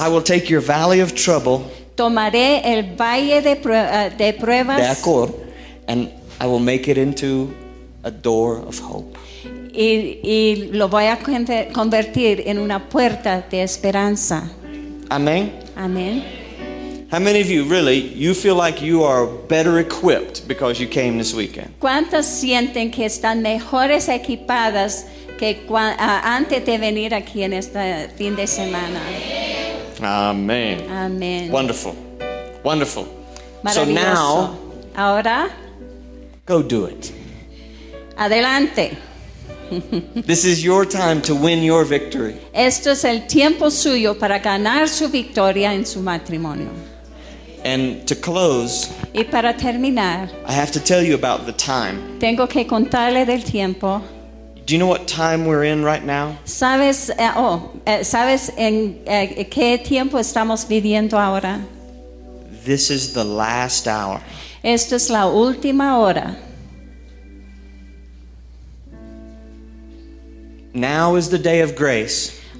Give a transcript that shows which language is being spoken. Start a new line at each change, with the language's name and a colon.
English: I will take your valley of trouble.
Spanish: Tomaré el valle de pruebas.
English: De acor, and I will make it into a door of hope.
Spanish: Y lo voy a convertir en una puerta de esperanza. Amen. Amen.
English: How many of you really you feel like you are better equipped because you came this weekend?
Spanish: ¿Cuántos sienten que están mejores equipadas que antes de venir aquí en este fin de semana? Amen. Amen.
English: Wonderful. Wonderful. So now,
Spanish: ahora,
English: go do it.
Spanish: Adelante.
English: This is your time to win your victory.
Spanish: Esto es el tiempo suyo para ganar su victoria en su matrimonio.
English: And to close,
Spanish: y para terminar,
English: I have to tell you about the time.
Spanish: Tengo que contarle del tiempo.
English: Do you know what time we're in right now?
Spanish: ¿Sabes, sabes en qué tiempo estamos viviendo ahora?
English: This is the last hour.
Spanish: Esto es la última hora.
English: Now is the day of grace.